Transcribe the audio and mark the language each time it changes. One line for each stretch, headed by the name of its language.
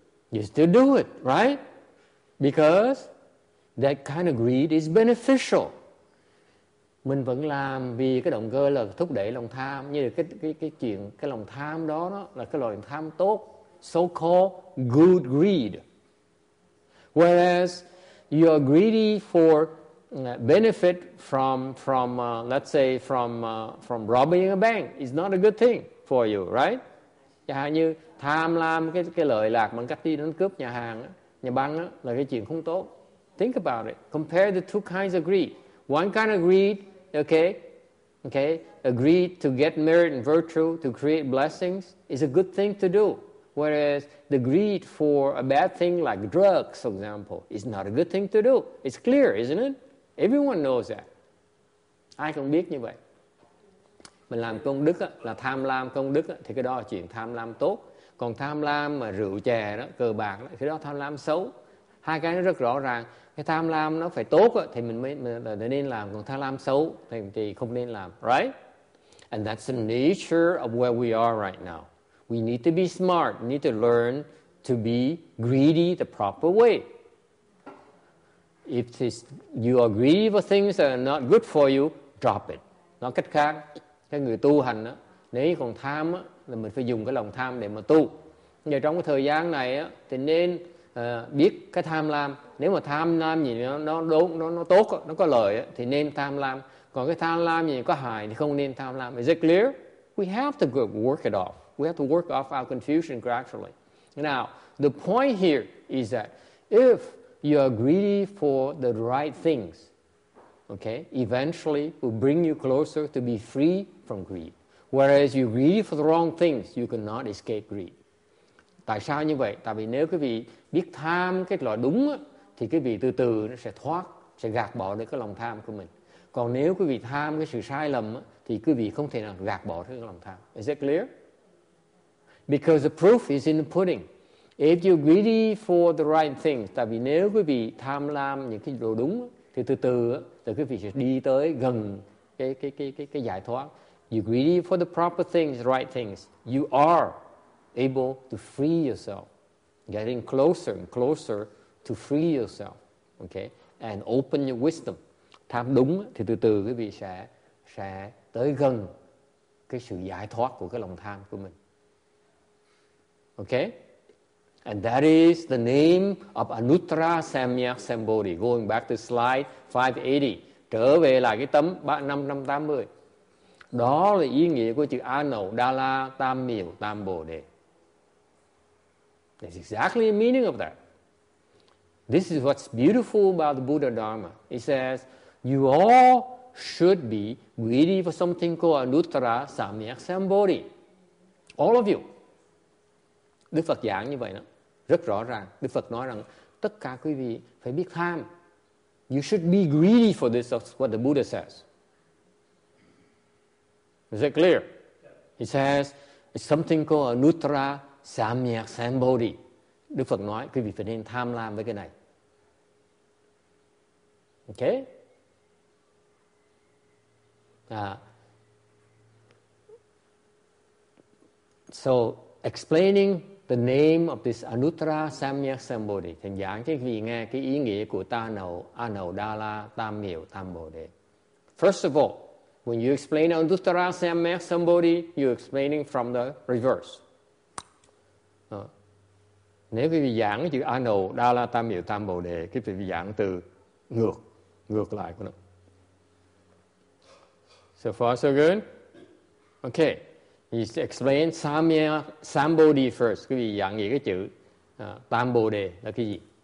English: You still do it, right? Because that kind of greed is beneficial.
Vietnamese: Mình vẫn làm vì cái động cơ là thúc đẩy lòng tham. Như là cái chuyện, cái lòng tham đó, đó là cái loại tham tốt.
English: So-called good greed. Whereas you are greedy for benefit from robbing a bank is not a good thing for you, right?
Vietnamese: Chẳng hạn như tham lam cái lợi lạc bằng cách đi đánh cướp nhà hàng, nhà băng là cái chuyện không tốt.
English: Think about it. Compare the two kinds of greed. One kind of greed, okay, a greed to get merit and virtue, to create blessings, is a good thing to do. Whereas the greed for a bad thing like drugs, for example, is not a good thing to do. It's clear, isn't it? Everyone knows that.
Vietnamese: Ai cũng biết như vậy. Mình làm công đức á, là tham lam công đức á, thì cái đó là chuyện tham lam tốt. Còn tham lam mà rượu chè đó, cờ bạc đó, thì đó tham lam xấu. Hai cái nó rất rõ ràng. Cái tham lam nó phải tốt á, thì mình nên làm. Còn tham lam xấu thì không nên làm.
English: Right? And that's the nature of where we are right now. We need to be smart. We need to learn to be greedy the proper way. If you are greedy for things that are not good for you, drop it.
Vietnamese: Nói cách khác, cái người tu hành á, nếu còn tham á, thì mình phải dùng cái lòng tham để mà tu. Giờ trong cái thời gian này á, thì nên biết cái tham lam. Nếu mà tham lam gì nó tốt, nó có lợi á, thì nên tham lam. Còn cái tham lam gì có hại thì không nên tham lam.
English: Is it clear? We have to work it off. We have to work off our confusion gradually. Now, the point here is that if you are greedy for the right things, okay, eventually will bring you closer to be free from greed. Whereas you're greedy for the wrong things, you cannot escape greed.
Vietnamese: Tại sao như vậy? Tại vì nếu quý vị biết tham cái loại đúng á, thì quý vị từ từ nó sẽ thoát, sẽ gạt bỏ được cái lòng tham của mình. Còn nếu quý vị tham cái sự sai lầm á, thì quý vị không thể nào gạt bỏ được cái lòng tham.
English: Is that clear? Because the proof is in the pudding. If you're greedy for the right things,
Vietnamese: tại vì nếu quý vị tham lam những cái đồ đúng, thì từ từ thì quý vị sẽ đi tới gần cái giải thoát.
English: You're greedy for the proper things, the right things. You are able to free yourself, getting closer and closer to free yourself, okay? And open your wisdom.
Vietnamese: Tham đúng thì từ từ quý vị sẽ tới gần cái sự giải thoát của cái lòng tham của mình.
English: Okay? And that is the name of Anuttara Samyak Sambodhi. Going back to slide 580.
Vietnamese: Trở về lại cái tấm 580. Đó là ý nghĩa của chữ Anau Dala Tam Miu Tam Bồ Đề.
English: That's exactly the meaning of that. This is what's beautiful about the Buddha Dharma. It says, you all should be greedy for something called Anuttara Samyak Sambodhi. All of you.
Vietnamese: Đức Phật giảng như vậy đó. Rất rõ ràng, Đức Phật nói rằng tất cả quý vị phải biết tham.
English: You should be greedy for this, that's what the Buddha says. Is it clear? He says, it's something called Anuttara Samyak Sambodhi.
Vietnamese: Đức Phật nói quý vị phải nên tham lam với cái này.
English: Okay? So, explaining the name of this Anuttara Samyak Sambodhi.
Vietnamese: Thành giảng cho quý vị nghe cái ý nghĩa của ta nầu, Anau Dala Tam Miu Tam Bồ Đề.
English: First of all, when you explain Anuttara Samyak Sambodhi, you're explaining from the reverse.
Vietnamese: Nếu quý vị giảng chữ Anau Dala Tam Miu Tam Bồ Đề, quý vị giảng từ ngược lại của nó.
English: So far so good? Okay. He explains Sambodhi first.
Vietnamese: Quý vị giảng nghĩa cái chữ Tam Bồ Đề là cái gì?